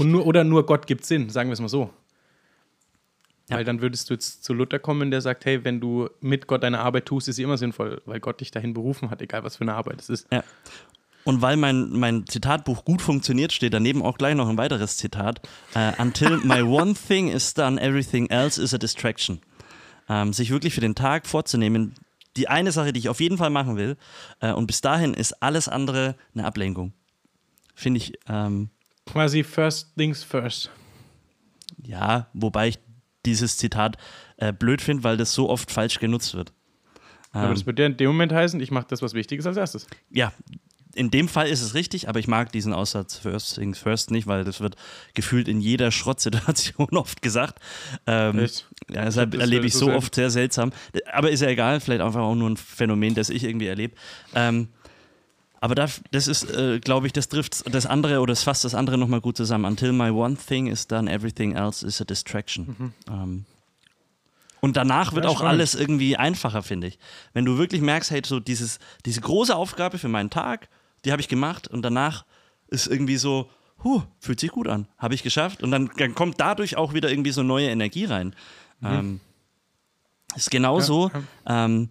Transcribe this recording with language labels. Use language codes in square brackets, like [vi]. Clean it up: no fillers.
[de] Oder nur Gott gibt Sinn, sagen wir es mal so. Ja. Weil dann würdest du jetzt zu Luther kommen, der sagt, hey, wenn du mit Gott deine Arbeit tust, ist sie immer sinnvoll, weil Gott dich dahin berufen hat, egal was für eine Arbeit es ist. Ja. Und weil mein Zitatbuch gut funktioniert, steht daneben auch gleich noch ein weiteres Zitat. [en] Until my one thing is done, everything else is a distraction. [de] Sich wirklich für den Tag vorzunehmen, die eine Sache, die ich auf jeden Fall machen will, und bis dahin ist alles andere eine Ablenkung. Finde ich. [en] Quasi first things first. [de] Ja, wobei ich dieses Zitat blöd finde, weil das so oft falsch genutzt wird. Aber das würde ja in dem Moment heißen, ich mache das, was wichtig ist, als erstes. Ja, in dem Fall ist es richtig, aber ich mag diesen Aussatz [en] first things first [de] nicht, weil das wird gefühlt in jeder Schrottsituation oft gesagt. Deshalb erlebe ich so oft sehr seltsam. Aber ist ja egal, vielleicht einfach auch nur ein Phänomen, das ich irgendwie erlebe. Aber das ist, glaube ich, das trifft das andere oder es fasst das andere nochmal gut zusammen. [en] Until my one thing is done, everything else is a distraction. Mhm. [de] Und danach wird auch alles irgendwie einfacher, finde ich. Wenn du wirklich merkst, hey, so diese große Aufgabe für meinen Tag, die habe ich gemacht, und danach ist irgendwie so, fühlt sich gut an, habe ich geschafft. Und dann kommt dadurch auch wieder irgendwie so neue Energie rein. Mhm. Ist genauso. Ja.